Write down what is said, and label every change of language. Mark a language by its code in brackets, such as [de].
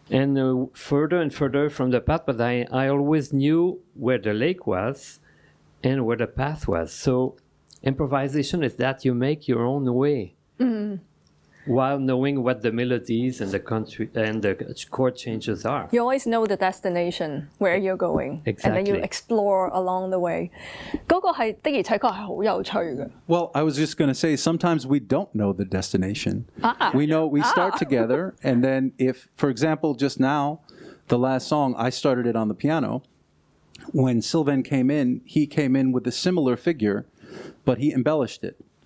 [en] And further and further from the path, but I always knew where the lake was and where the path was. So improvisation is that you make your own way while knowing what the melodies and the country and the chord changes are. You always know the destination where you're going. Exactly. And then you explore along the way. [zh] 那个是的而且确是很有趣的。 [en] Well, I was just going to say, sometimes we don't know the destination. Ah. We know we start together. And then if, for example, just now, the last song, I started it on the piano. When Sylvain came in, he came in with a similar figure, but he embellished it.